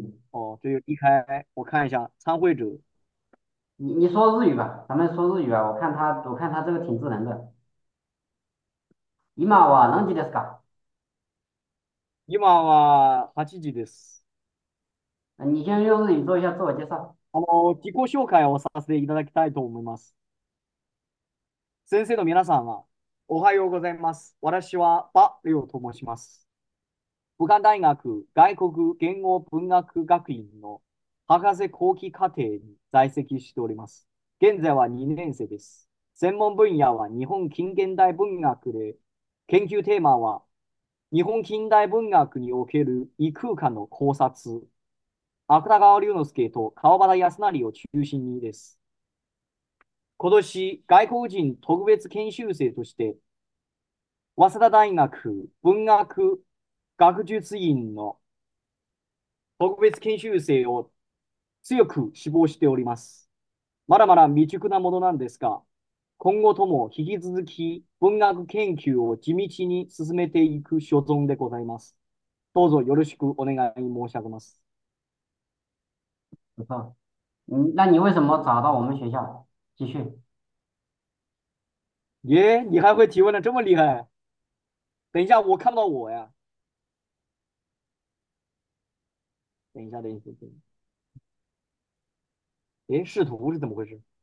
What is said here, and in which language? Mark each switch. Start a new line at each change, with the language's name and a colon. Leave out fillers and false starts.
Chinese: 哦，这就离开，我看一下参会者。你说日语吧，咱们说日语吧。我看他这个挺智能的。
Japanese: 今は何時ですか？今は8時です。
Chinese: 你先用日语做一下自我介绍。
Japanese: 自己紹介をさせていただきたいと思います。先生の皆さんは、おはようございます。私はバ・レオと申します。武漢大学外国言語文学学院の博士後期課程に在籍しております。現在は2年生です。専門分野は日本近現代文学で、研究テーマは日本近代文学における異空間の考察。芥川龍之介と川端康成を中心にです。今年、外国人特別研修生として、早稲田大学文学学術院の特別研修生を強く志望しております。まだまだ未熟なものなんですが、今後とも引き続き文学研究を地道に進めていく所存でございます。どうぞよろしくお願い申し上げます。
Chinese: 不错，那你为什么找到我们学校？继续。耶，你还会提问的这么厉害？等一下，我看到我呀。等一下，等一下，等一下。哎，视图是怎么回事？